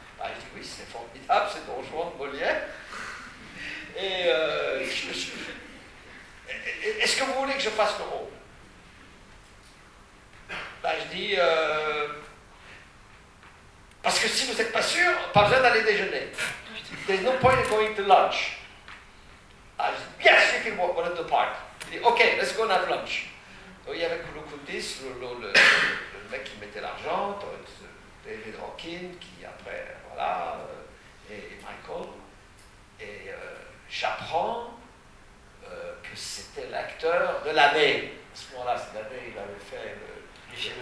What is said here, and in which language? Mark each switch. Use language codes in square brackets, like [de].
[fr] Bah, je dis, oui, c'est formidable, c'est Don Juan de Molière. Et je me suis dit, est-ce que vous voulez que je fasse le rôle? Je dis, parce que si vous n'êtes pas sûr, pas besoin d'aller déjeuner. [en] There's no point in going to lunch. I said, yes, you can walk one at the park. He said, okay, let's go and have lunch. [fr] Donc, il y avait Koulou Koutis, le mec qui mettait l'argent, David Hawking, qui après, voilà, et Michael. Et j'apprends que c'était l'acteur de l'année. À ce moment-là, c'est l'année, il avait fait le